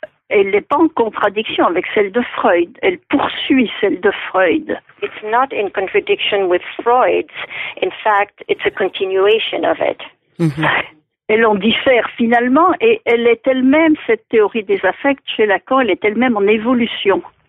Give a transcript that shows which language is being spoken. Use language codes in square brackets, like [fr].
[fr] Elle n'est pas en contradiction avec celle de Freud. Elle poursuit celle de Freud. [en] It's not in contradiction with Freud's. In fact, it's a continuation of it. Mm-hmm. [fr] Elle en diffère finalement, et elle est elle-même, cette théorie des affects chez Lacan, elle est elle-même en évolution.